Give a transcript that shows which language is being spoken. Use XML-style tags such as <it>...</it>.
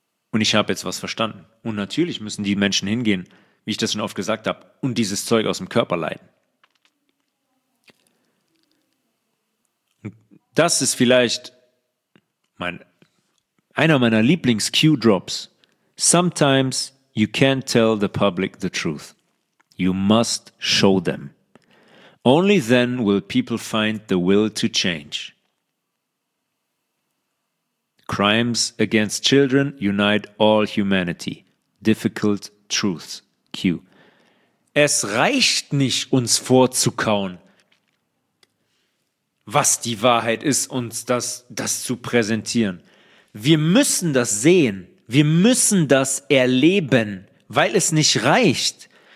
<de>Und ich habe jetzt was verstanden. Und natürlich müssen die Menschen hingehen, wie ich das schon oft gesagt habe, und dieses Zeug aus dem Körper leiden. Und das ist vielleicht einer meiner Lieblings-Q-Drops.</de> <en>Sometimes you can't tell the public the truth. You must show them. Only then will people find the will to change. Crimes against children unite all humanity. Difficult truths. Q.</en> <de>Es reicht nicht, uns vorzukauen, was die Wahrheit ist, uns das zu präsentieren. Wir müssen das sehen. Wir müssen das erleben, weil es nicht reicht.</de>